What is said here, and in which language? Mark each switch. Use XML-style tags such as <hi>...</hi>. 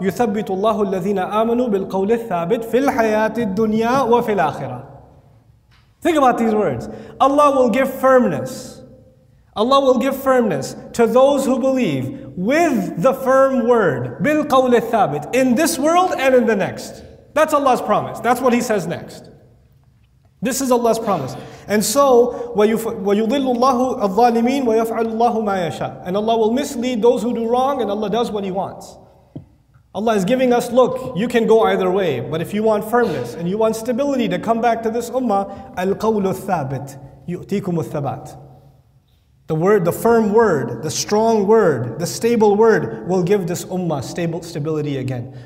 <ar>يُثَبِّتُ اللَّهُ الَّذِينَ آمَنُوا بِالْقَوْلِ الثَّابِتِ فِي الْحَيَاةِ الدُّنْيَا وَفِي الْآخِرَةِ.</ar> <en>Think about these words. Allah will give firmness. Allah will give firmness to those who believe with the firm word, bil qawl thabit, in this world and in the next. That's Allah's promise. That's what He says next. This is Allah's promise. And so,</en> <ar>وَيُضِلُّ اللَّهُ الظَّالِمِينَ وَيَفْعَلُ اللَّهُ مَا يَشَاءُ.</ar> <en>And Allah will mislead those who do wrong, and Allah does what He wants. Allah is giving us, look, you can go either way, but if you want firmness and you want stability to come back to this ummah,</en> <ar>al-qawlu thabit, yu'tikum al-thabat.</ar> <en>The word, the firm word, the strong word, the stable word will give this ummah stability again.</en>